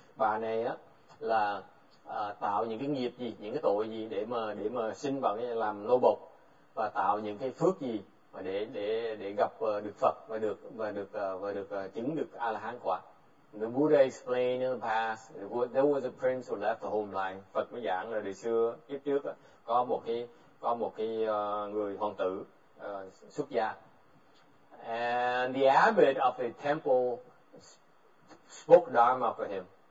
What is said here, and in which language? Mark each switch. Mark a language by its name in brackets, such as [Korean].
[Vietnamese] Bà này á là tạo những cái nghiệp gì, những cái tội gì để mà sinh vào cái làm nô bộc, và tạo những cái phước gì mà để gặp được Phật và được chứng được a la hán quả. [English] The Buddha explained in the past there was a prince who left the homeland. [Vietnamese] Phật mới giảng là đời xưa kiếp trước có một cái người hoàng tử xuất gia. [English] And the abbot of the temple spoke dharma for him.